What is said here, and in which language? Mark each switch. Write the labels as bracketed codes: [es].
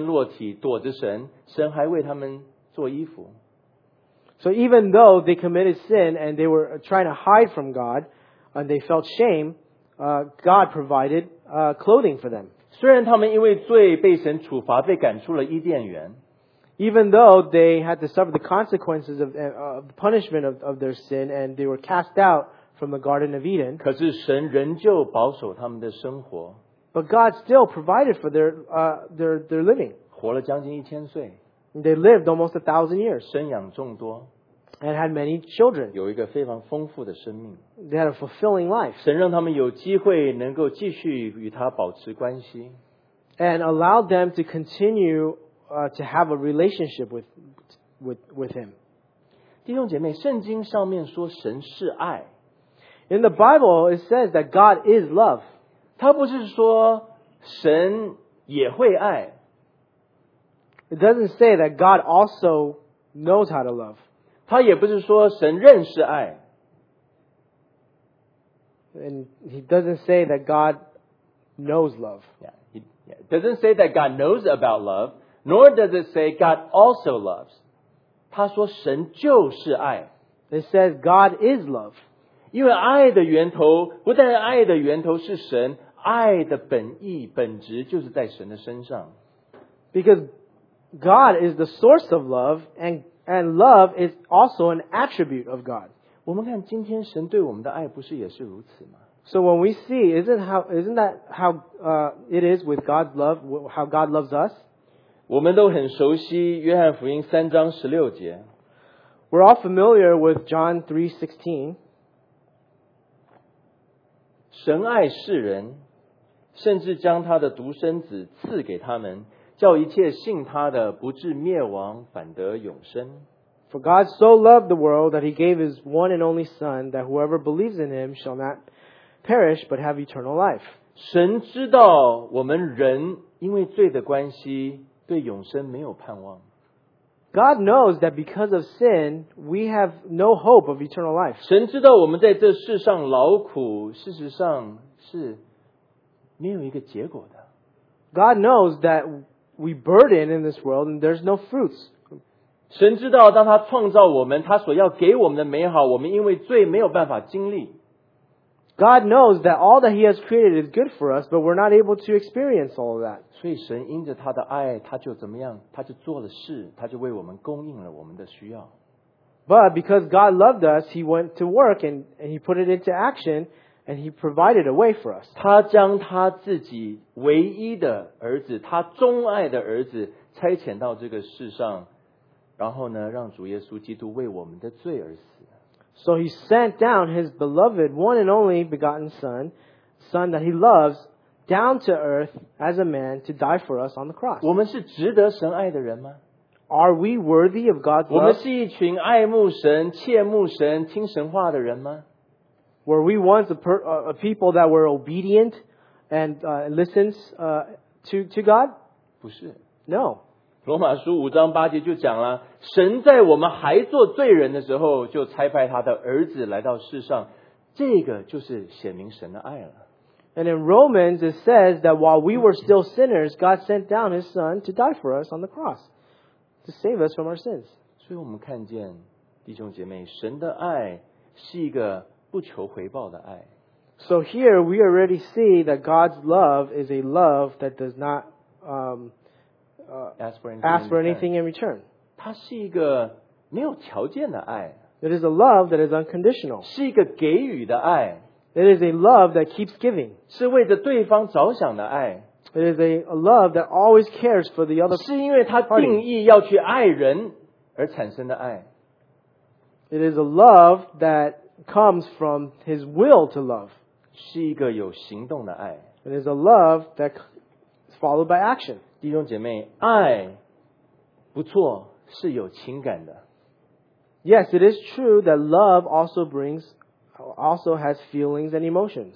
[zh] 他们因为犯了罪，发现自己赤身裸体躲着神，神还为他们做衣服。 [en] So even though they committed sin and they were trying to hide from God, and they felt shame, God provided clothing for them. [zh] 虽然他们因为罪被神处罚，被赶出了伊甸园。 [en] Even though they had to suffer the consequences of the punishment of their sin, and they were cast out from the Garden of Eden. [zh] 可是神仍旧保守他们的生活。 [en] But God still provided for their living. [zh] 活了将近一千岁。 [en] They lived almost 1,000 years. [zh] 生养众多。 [en] And had many children. [zh] 有一个非常丰富的生命。 [en] They had a fulfilling life. [zh] 神让他们有机会能够继续与他保持关系。 [en] And allowed them to continue to have a relationship with him. [zh] 弟兄姐妹，圣经上面说神是爱。 [en] In the Bible, it says that God is love. [zh] 他不是说神也会爱。 [en] It doesn't say that God also knows how to love. [zh] 他也不是说神认识爱。 [en] And he doesn't say that God knows love. Yeah, he doesn't say that God knows about love, nor does it say God also loves. [zh] 他说神就是爱。 [en] It says God is love. [zh] 因为爱的源头，不但爱的源头是神，爱的本意本质就是在神的身上。 [en] Because God is the source of love, and love is also an attribute of God. [zh] 我们看今天神对我们的爱不是也是如此吗？ [en] So when we see, isn't that how it is with God's love, how God loves us? [zh] 我们都很熟悉约翰福音三章十六节。 [en] We're all familiar with John 3:16. [zh] 神爱世人，甚至将他的独生子赐给他们，叫一切信他的不至灭亡，反得永生。 [en] For God so loved the world that he gave his one and only son, that whoever believes in him shall not perish but have eternal life. [zh] 神知道我们人因为罪的关系对永生没有盼望。 [en] God knows that because of sin, we have no hope of eternal life. [zh] 神知道我们在这世上劳苦，事实上是没有一个结果的。 [en] God knows that we burden in this world and there's no fruits. [zh] 神知道当他创造我们，他所要给我们的美好，我们因为罪没有办法经历。 [en] God knows that all that he has created is good for us, but we're not able to experience all of that. [zh] 所以神因着他的爱，他就怎么样，他就做了事，他就为我们供应了我们的需要。 [en] But because God loved us, he went to work and he put it into action and he provided a way for us. [zh] 他将他自己唯一的儿子，他钟爱的儿子差遣到这个世上，然后呢，让主耶稣基督为我们的罪而死。 [en] So he sent down his beloved one and only begotten son that he loves, down to earth as a man to die for us on the cross. [zh] 我们是值得神爱的人吗？ [en] Are we worthy of God's love? [zh] 我们是一群爱慕神、切慕神、听神话的人吗？ [en] Were we once a people that were obedient and listens to God? [zh] 不是。 [en] No. [zh] 罗马书五章八节就讲了，神在我们还做罪人的时候，就差派他的儿子来到世上，这个就是显明神的爱了。 [en] And in Romans it says that while we were still sinners, God sent down his son to die for us on the cross. To save us from our sins. [zh] 所以我们看见弟兄姐妹，神的爱是一个不求回报的爱。 [en] So here we already see that God's love is a love that does not ask for anything in return. [zh] 它是一个没有条件的爱。 [en] It is a love that is unconditional. [zh] 是一个给予的爱。 [en] It is a love that keeps giving. [zh] 是为着对方着想的爱。 [en] It is a love that always cares for the other party. [zh] 是因为他定义要去爱人而产生的爱。 [en] It is a love that comes from his will to love. [zh] 是一个有行动的爱。 [en] It is a love that is followed by action. [zh] 弟兄姐妹，爱不错，是有情感的。 [en] Yes, it is true that love also has feelings and emotions.